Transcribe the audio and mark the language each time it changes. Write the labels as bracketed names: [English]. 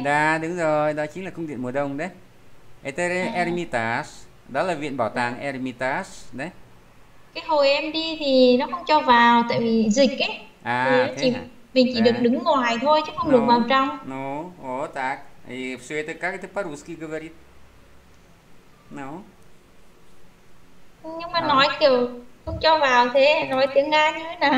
[Vietnamese] Đã, đúng rồi, đó chính là cung điện mùa đông đấy. Eremitage, đó là viện bảo tàng Eremitage đấy. Cái hồi em đi thì nó không cho vào tại vì dịch ấy, À, thế hả? mình chỉ được Đã. đứng ngoài thôi chứ không được vào [Russian] Ну, [Vietnamese] trong. [Russian] ну, вот так. И все это как это по-русски говорит. Ну. [Vietnamese] Nhưng mà Đó. nói kiểu không cho vào thế nói tiếng Nga